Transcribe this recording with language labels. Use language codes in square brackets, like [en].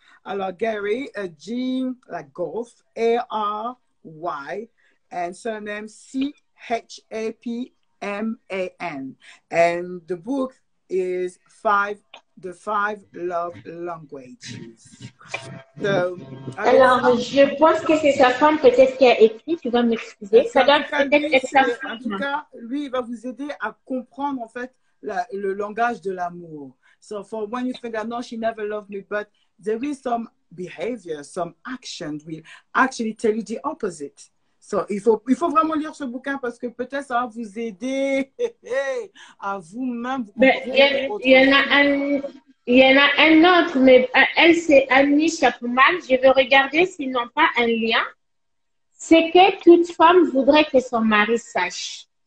[en] Alors, Gary, G, like golf, A-R-Y, and surname C-H-A-P-M-A-N. And the book is The Five Love Languages. [fr] So, alors, je pense que c'est sa femme peut-être qui a écrit, tu vas m'excuser. Ça doit peut-être être sa femme. En tout cas, lui, il va vous aider à comprendre, en fait, le langage de l'amour. [en] So, for when you figure, no, she never loved me, but there is some behavior, some action will actually tell you the opposite. [fr] So, il faut vraiment lire ce bouquin parce que peut-être ça va vous aider à vous-même. Il y en a un autre, mais elle, c'est Annie Chapman. Je veux regarder s'ils n'ont pas un lien. C'est que toute femme voudrait que son mari sache.